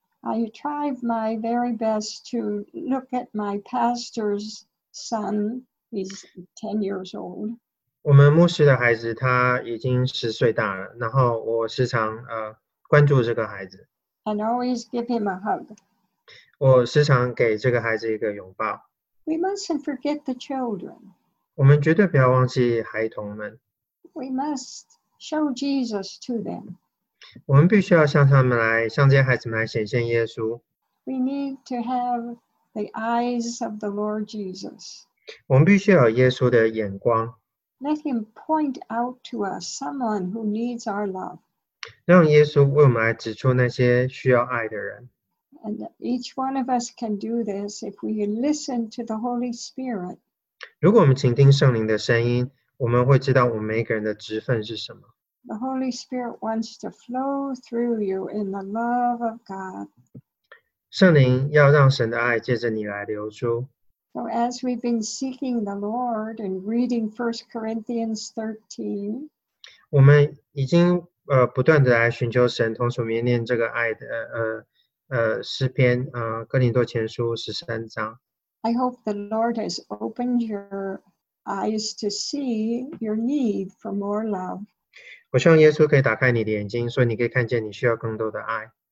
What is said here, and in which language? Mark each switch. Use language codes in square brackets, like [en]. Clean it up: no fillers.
[en] I tried my very best to look at my pastor's son. He's 10 years old. [zh] 我们牧师的孩子他已经十岁大了，然后我时常关注这个孩子。 [en] And always give him a hug. [zh] 我时常给这个孩子一个拥抱。 [en] We mustn't forget the children. [zh] 我们绝对不要忘记孩童们。 [en] We must show Jesus to them. [zh] 我们必须要向他们来，向这些孩子们来显现耶稣。 [en] We need to have the eyes of the Lord Jesus. [zh] 我们必须要有耶稣的眼光。 [en] Let him point out to us someone who needs our love. [zh] 让耶稣为我们来指出那些需要爱的人。 [en] And each one of us can do this if we listen to the Holy Spirit. [zh] 如果我们倾听圣灵的声音，我们会知道我们每个人的职分是什么。 [en] The Holy Spirit wants to flow through you in the love of God. [zh] 圣灵要让神的爱借着你来流出。 [en] So as we've been seeking the Lord and reading 1 Corinthians 13, [zh] 我们已经不断的来寻求神，同时我们也念这个爱的诗篇哥林多前书13章。 [en] I hope the Lord has opened your eyes to see your need for more love. [zh] 我希望耶稣可以打开你的眼睛，所以你可以看见你需要更多的爱。